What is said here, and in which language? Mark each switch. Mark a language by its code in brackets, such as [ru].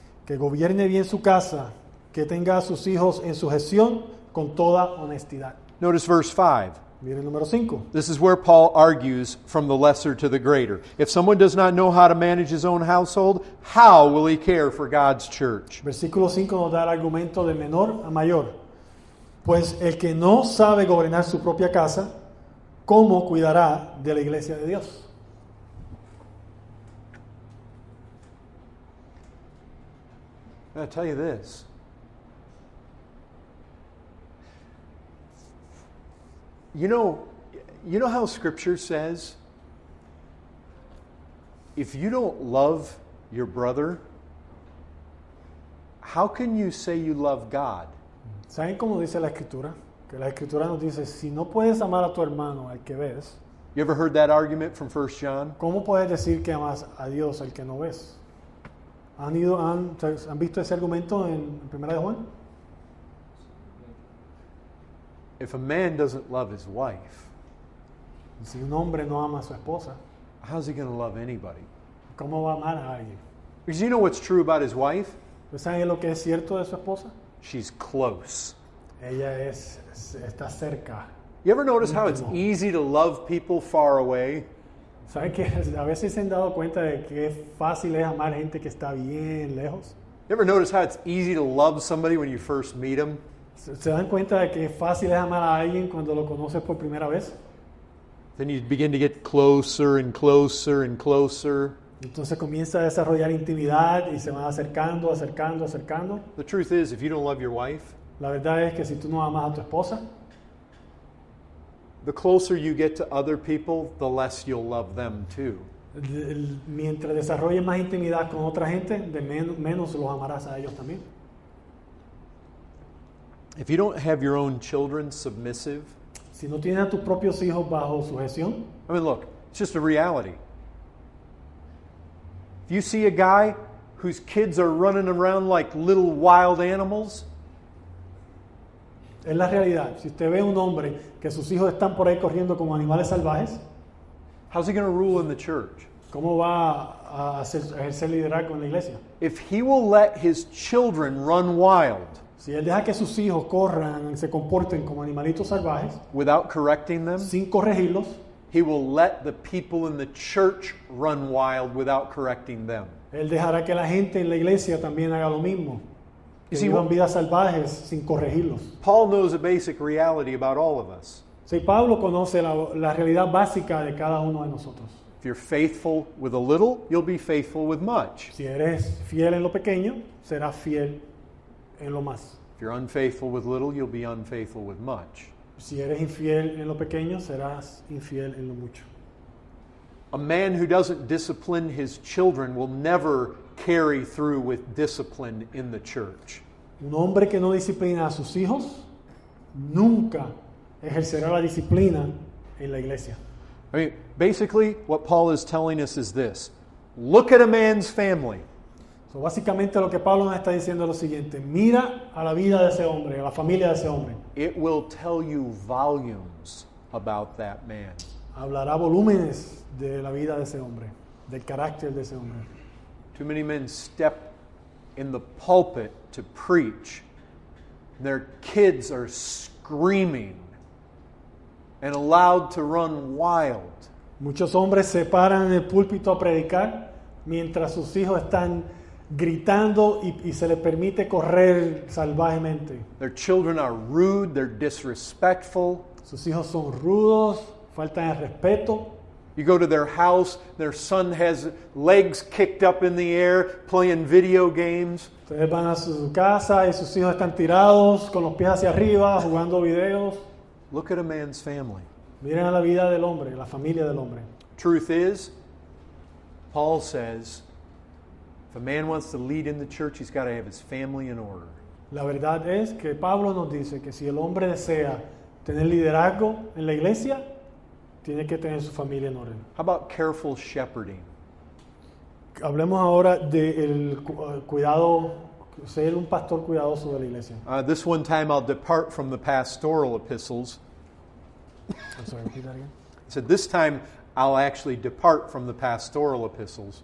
[es] Que gobierne bien su casa, que tenga a sus hijos en sujeción, con toda honestidad. [en] Notice verse 5. [es] Mire el número 5. [en] This is where Paul argues from the lesser to the greater. If someone does not know how to manage his own household, how will he care for God's church? [es] Versículo 5 nos da el argumento de menor a mayor. Pues el que no sabe gobernar su propia casa, ¿cómo cuidará de la iglesia de Dios? [en] I'll tell you this. You know how scripture says, if you don't love your brother, how can you say you love God? [es] ¿Saben cómo dice la escritura? Que la escritura nos dice, si no puedes amar a tu hermano, al que ves. [en] You ever heard that argument from 1 John? [es] ¿Cómo puedes decir que amas a Dios al que no ves? ¿Han visto ese argumento en 1 Juan? [en] If a man doesn't love his wife, [es] si un hombre no ama a su esposa, [en] how's he going to love anybody? [es] ¿Cómo va a amar a alguien? [en] Because you know what's true about his wife? [es] ¿Saben lo que es cierto de su esposa? [en] She's close. [es] Ella es, está cerca. [en] You ever notice how it's easy to love people far away? [es] ¿Sabes que a veces se han dado cuenta de que es fácil es amar gente que está bien lejos? [en] You ever notice how it's easy to love somebody when you first meet them? [es] ¿Se dan cuenta de que es fácil es amar a alguien cuando lo conoces por primera vez? [en] Then you begin to get closer and closer and closer. [es] Entonces comienza a desarrollar intimidad y se van acercando, acercando, acercando. [en] The truth is, if you don't love your wife, [es] la verdad es que si tú no amas a tu esposa, [en] the closer you get to other people, the less you'll love them too. [es] Mientras desarrolles más intimidad con otra gente, de menos los amarás a ellos también. [en] If you don't have your own children submissive, [es] si no tienes a tus propios hijos bajo sujeción, [en] I mean, look, it's just a reality. If you see a guy whose kids are running around like little wild animals, [es] es la realidad. Si usted ve un hombre que sus hijos están por ahí corriendo como animales salvajes, [en] how's he going to rule in the church? [es] ¿Cómo va a ejercer liderazgo en la iglesia? [en] If he will let his children run wild, [es] si él deja que sus hijos corran y se comporten como animalitos salvajes, [en] without correcting them, [es] sin corregirlos, [en] He will let the people in the church run wild without correcting them. [es] Él dejará que la gente en la iglesia también haga lo mismo. Que vivan vidas salvajes sin corregirlos. [en] Paul knows a basic reality about all of us. [es] Sí, Pablo conoce la realidad básica de cada uno de nosotros. [en] If you're faithful with a little, you'll be faithful with much. [es] Si eres fiel en lo pequeño, serás fiel en lo más. [en] If you're unfaithful with little, you'll be unfaithful with much. [es] Si eres infiel en lo pequeño, serás infiel en lo mucho. [en] A man who doesn't discipline his children will never carry through with discipline in the church. [es] Un hombre que no disciplina a sus hijos nunca ejercerá la disciplina en la iglesia. [en] I mean, basically, what Paul is telling us is this. Look at a man's family. [es] So básicamente lo que Pablo nos está diciendo es lo siguiente. Mira a la vida de ese hombre, a la familia de ese hombre. [en] It will tell you volumes about that man. [es] Hablará volúmenes de la vida de ese hombre, del carácter de ese hombre. [en] Too many men step in the pulpit to preach. Their kids are screaming. And allowed to run wild. [es] Muchos hombres se paran en el púlpito a predicar mientras sus hijos están gritando y se les permite correr salvajemente. [en] Their children are rude, they're disrespectful. [es] Sus hijos son rudos, faltan el respeto. [en] You go to their house, their son has legs kicked up in the air playing video games. [es] Ustedes van a su casa y sus hijos están tirados con los pies hacia arriba jugando videos. [en] Look at a man's family. [es] Miren a la vida del hombre, la familia del hombre. [en] Truth is, Paul says, if a man wants to lead in the church, he's got to have his family in order. [es] La verdad es que Pablo nos dice que si el hombre desea tener liderazgo en la iglesia, tiene que tener su familia en orden. [en] How about careful shepherding? [es] Hablemos ahora del cuidado. Ser un pastor cuidadoso de la iglesia. [en] This one time I'll depart from the pastoral epistles. I'm sorry, repeat that again. I said this time I'll actually depart from the pastoral epistles.